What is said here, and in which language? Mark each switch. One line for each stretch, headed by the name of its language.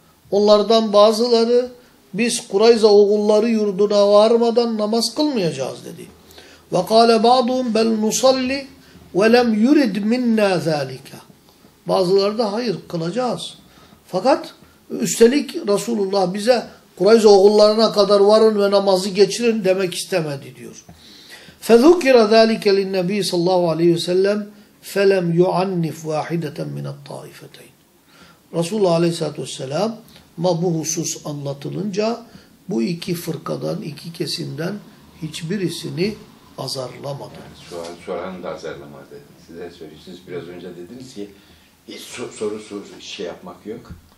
Turkish: Onlardan bazıları biz Kurayza oğulları yurduna varmadan namaz kılmayacağız dedi.
Arabic: وَقَالَ بَعْضُهُمْ بَلْ نُصَلِّي وَلَمْ يُرِدْ مِنَّا ذَٰلِكَ.
Turkish: Bazıları da hayır kılacağız. Fakat üstelik Resulullah bize Kurayza oğullarına kadar varın ve namazı geçirin demek istemedi diyor.
Arabic: فَذُكِرَ ذَٰلِكَ لِلنَّب۪ي sallallahu aleyhi ve sellem فَلَمْ يُعَنِّفْ وَاحِدَةً مِنَ الطَّائِفَتَيْنِ.
Turkish: Resulullah aleyhissalatü vesselam ma bu husus anlatılınca bu iki fırkadan, iki kesimden hiçbirisini azarlamadı. Yani şu an soran da azarlamadı. Size söyleyeyim. Siz biraz önce dediniz ki hiç soru şey yapmak yok.